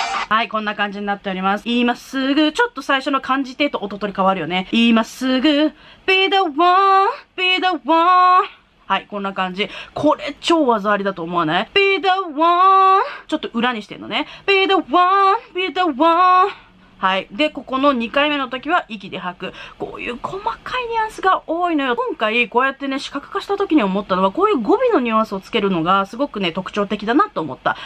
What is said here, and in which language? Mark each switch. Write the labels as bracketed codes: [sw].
[ja] はい、こんな感じになっております。今すぐ、ちょっと最初の感じ手と音取り変わるよね。今すぐ [en] Be the one, be the one。 [ja] はい、こんな感じ。これ超技ありだと思わない？ [en] Be the one、 [ja] ちょっと裏にしてんのね。 [en] Be the one, be the one。 [ja] はい。で、ここの2回目の時は息で吐く。こういう細かいニュアンスが多いのよ。今回、こうやってね、視覚化した時に思ったのは、こういう語尾のニュアンスをつけるのが、すごくね、特徴的だなと思った。